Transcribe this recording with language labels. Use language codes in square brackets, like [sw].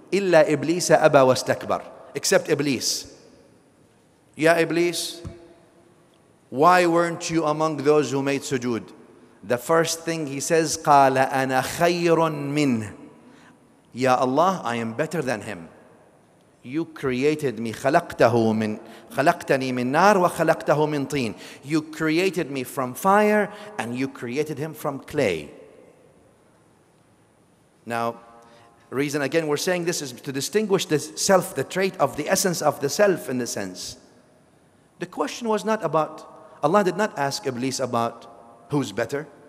[ar] إِلَّا إِبْلِيسَ أَبَى وَاسْتَكْبَرْ. [en] Except Iblis. Ya Iblis, why weren't you among those who made sujood? The first thing he says, [ar] قَالَ أَنَا خَيْرٌ مِنْهِ. [en] Ya Allah, I am better than him. You created me, [ar] خَلَقْتَنِي مِنْ نَارٍ وَخَلَقْتَهُ مِنْ طِينٍ. [en] You created me from fire and you created him from clay. Now, reason again we're saying this is to distinguish the self, the trait of the essence of the self in the sense. The question was not about, Allah did not ask Iblis about who's better.